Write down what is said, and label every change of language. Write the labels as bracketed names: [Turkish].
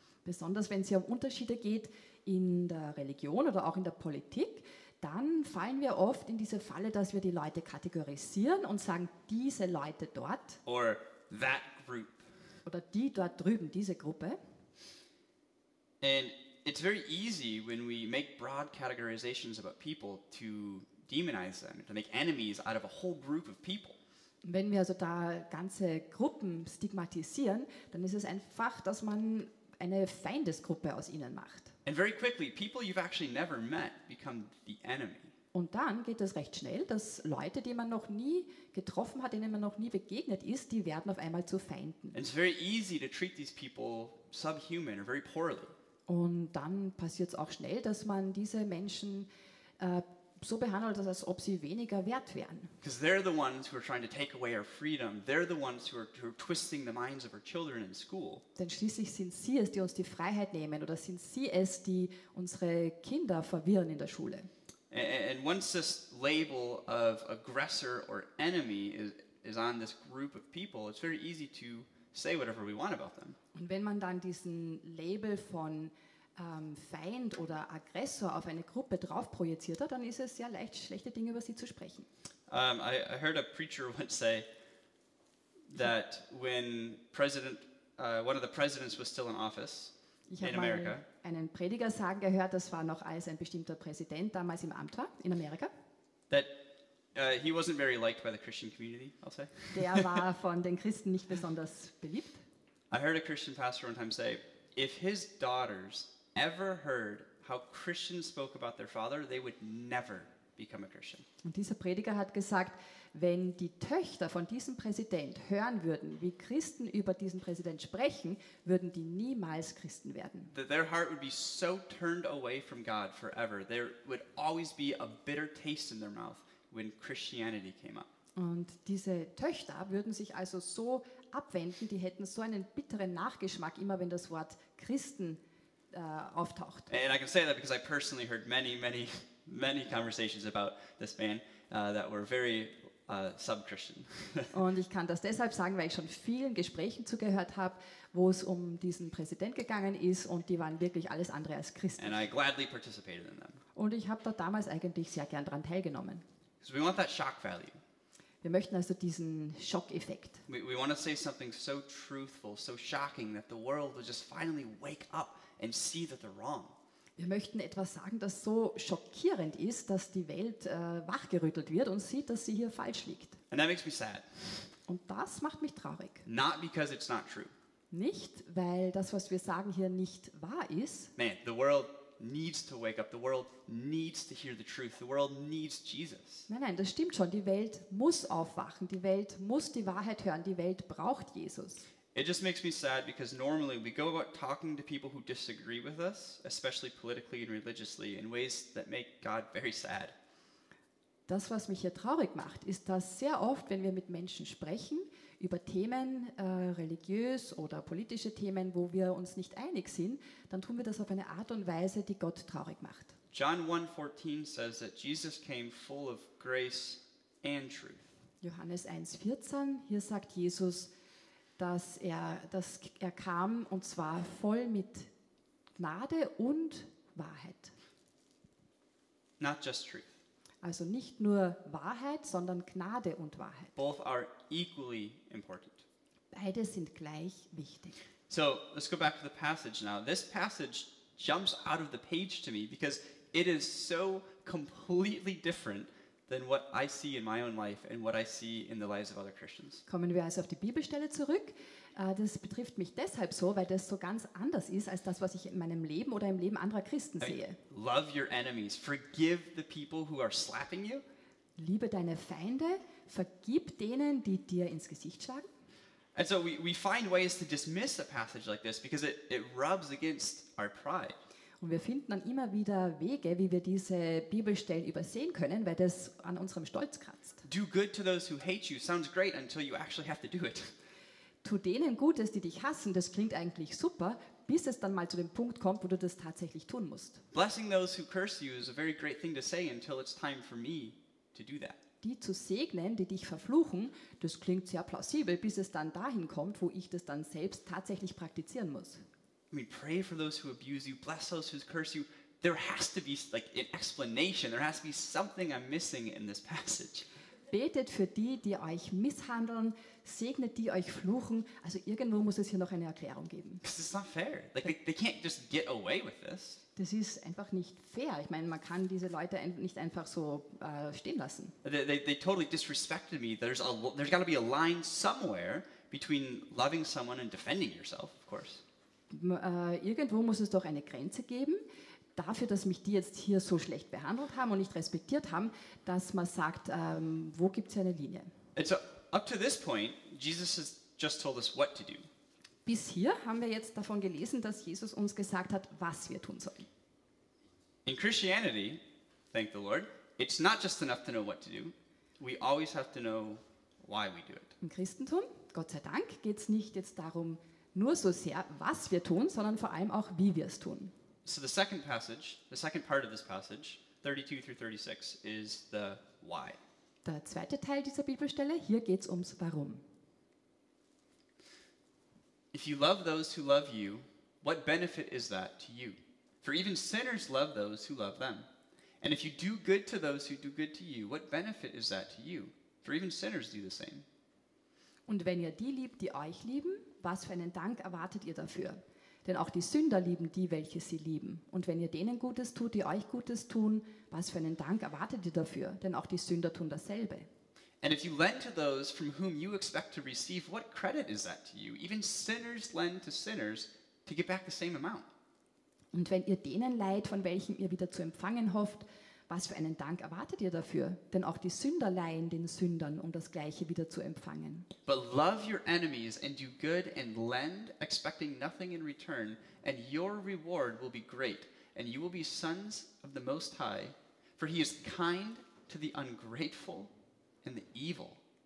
[German] Besonders wenn es hier um Unterschiede geht in der Religion oder auch in der Politik, dann fallen wir oft in diese Falle, dass wir die Leute kategorisieren und sagen, diese Leute dort [English] or that group. [German] Oder die dort drüben, diese Gruppe. [English] And it's very easy when we make broad categorizations about people to demonize them, to make enemies out of a whole group of people. [German] Wenn wir also da ganze Gruppen stigmatisieren, dann ist es einfach, dass man eine Feindesgruppe aus ihnen macht. [English] And very quickly, people you've actually never met become the enemy. [German] Und dann geht es recht schnell, dass Leute, die man noch nie getroffen hat, denen man noch nie begegnet ist, die werden auf einmal zu Feinden. [English] And it's very easy to treat these people subhuman or very poorly. [German] Und dann passiert es auch schnell, dass man diese Menschen so behandelt, als ob sie weniger wert wären. [English] Because they're the ones who are trying to take away our freedom. They're the ones who are twisting the minds of our children in school. [German] Denn schließlich sind sie es, die uns die Freiheit nehmen, oder sind sie es, die unsere Kinder verwirren in der Schule. [English] And once this label of aggressor or enemy is on this group of people, it's very easy to say whatever we want about them. [German] Und wenn man dann diesen Label von Feind oder Aggressor auf eine Gruppe drauf projiziert hat, dann ist es sehr leicht, schlechte Dinge über sie zu sprechen. [English] I heard a preacher once say that when President, one of the presidents was still in office in America. [German] Ich habe einen Prediger sagen gehört, das war noch als ein bestimmter Präsident damals im Amt war in Amerika. [English] That he wasn't very liked by the Christian community, I'll say. [German] Der war von den Christen nicht besonders beliebt. [English] I heard a Christian pastor one time say, if his daughters ever heard how Christians spoke about their father, they would never become a Christian. [German] Und dieser Prediger hat gesagt, wenn die Töchter von diesem Präsident hören würden, wie Christen über diesen Präsident sprechen, würden die niemals Christen werden. [English] Their heart would be so turned away from God forever. There would always be a bitter taste in their mouth when Christianity came up. [German] Und diese Töchter würden sich also so abwenden, die hätten so einen bitteren Nachgeschmack immer, wenn das Wort Christen auftaucht. [English] And I can say that because I personally heard many, many, many conversations about this man that were very sub-Christian. [German] Und ich kann das deshalb sagen, weil ich schon vielen Gesprächen zugehört habe, wo es um diesen Präsident gegangen ist, und die waren wirklich alles andere als Christen. [English] And I gladly participated in them. [German] Und ich habe da damals eigentlich sehr gern dran teilgenommen. [English] So we want that shock value. [German] Wir möchten also diesen Schockeffekt. [English] We want to say something so truthful, so shocking that the world will just finally wake up and see that they're wrong. [German] Wir möchten etwas sagen, das so schockierend ist, dass die Welt wachgerüttelt wird und sieht, dass sie hier falsch liegt. [English] And that makes me sad. [German] Und das macht mich traurig. [English] Not because it's not true. [German] Nicht, weil das, was wir sagen, hier nicht wahr ist. [English] Man, the world needs to wake up. The world needs to hear the truth. The world needs Jesus. [German] Nein, nein, das stimmt schon. Die Welt muss aufwachen. Die Welt muss die Wahrheit hören. Die Welt braucht Jesus. [English] It just makes me sad because normally we go about talking to people who disagree with us, especially politically and religiously, in ways that make God very sad. [German] Das, was mich hier traurig macht, ist, dass sehr oft, wenn wir mit Menschen sprechen über Themen, religiös oder politische Themen, wo wir uns nicht einig sind, dann tun wir das auf eine Art und Weise, die Gott traurig macht. [English] John 1:14 says that Jesus came full of grace and truth. [German] Johannes 1:14, hier sagt Jesus, dass er kam und zwar voll mit Gnade und Wahrheit. [English] Not just truth. [German] Also nicht nur Wahrheit, sondern Gnade und Wahrheit. [English] Both are equally important. [German] Beide sind gleich wichtig. [English] So, let's go back to the passage now. This passage jumps out of the page to me because it is so completely different than what I see in my own life and what I see in the lives of other Christians. [German] Kommen wir also auf die Bibelstelle zurück. Das betrifft mich deshalb so, weil das so ganz anders ist als das, was ich in meinem Leben oder im Leben anderer Christen sehe. [English] Love your enemies. Forgive the people who are slapping you. [German] Liebe deine Feinde. Vergib denen, die dir ins Gesicht schlagen. [English] And so we find ways to dismiss a passage like this because it rubs against our pride. [German] Und wir finden dann immer wieder Wege, wie wir diese Bibelstellen übersehen können, weil das an unserem Stolz kratzt. [English] Do good to those who hate you sounds great until you actually have to do it. [German] Tu denen Gutes, die dich hassen, das klingt eigentlich super, bis es dann mal zu dem Punkt kommt, wo du das tatsächlich tun musst. [English] Blessing those who curse you is a very great thing to say until it's time for me to do that. [German] Die zu segnen, die dich verfluchen, das klingt sehr plausibel, bis es dann dahin kommt, wo ich das dann selbst tatsächlich praktizieren muss. [English] I mean, pray for those who abuse you, bless those who curse you. There has to be like an explanation. There has to be something I'm missing in this passage. [German] Betet für die, die euch misshandeln, segnet die euch fluchen. Also irgendwo muss es hier noch eine Erklärung geben. [English] Because it's not fair. Like they can't just get away with this. [German] Das ist einfach nicht fair. Ich meine, man kann diese Leute nicht einfach so stehen lassen. [English] They totally disrespected me. There's got to be a line somewhere between loving someone and defending yourself, of course. [German] Irgendwo muss es doch eine Grenze geben, dafür, dass mich die jetzt hier so schlecht behandelt haben und nicht respektiert haben, dass man sagt, wo gibt es eine Linie? [English] And so, up to this point, Jesus has just told us what to do. [German] Bis hier haben wir jetzt davon gelesen, dass Jesus uns gesagt hat, was wir tun sollen. [English] In Christianity, thank the Lord, it's not just enough to know what to do. We always have to know why we do it. [German] Im Christentum, Gott sei Dank, geht es nicht jetzt darum, nur so sehr, was wir tun, sondern vor allem auch, wie wir es tun. [English] So the second passage, the second part of this passage, 32 through 36, is the why. [German] Der zweite Teil dieser Bibelstelle, hier geht es ums Warum. [English] If you love those who love you, what benefit is that to you? For even sinners love those who love them. And if you do good to those who do good to you, what benefit is that to you? For even sinners do the same. [German] Und wenn ihr die liebt, die euch lieben, was für einen Dank erwartet ihr dafür? Denn auch die Sünder lieben die, welche sie lieben. Und wenn ihr denen Gutes tut, die euch Gutes tun, was für einen Dank erwartet ihr dafür? Denn auch die Sünder tun dasselbe. [English] And if you lend to those from whom you expect to receive, what credit is that to you? Even sinners lend to sinners to get back the same amount. [German] Und wenn ihr denen leiht, von welchen ihr wieder zu empfangen hofft, was für einen Dank erwartet ihr dafür? Denn auch die Sünder leihen den Sündern, um das Gleiche wieder zu empfangen. [English] But love your enemies and do good and lend, expecting nothing in return, and your reward will be great, and you will be sons of the Most High, for he is kind to the ungrateful and the evil.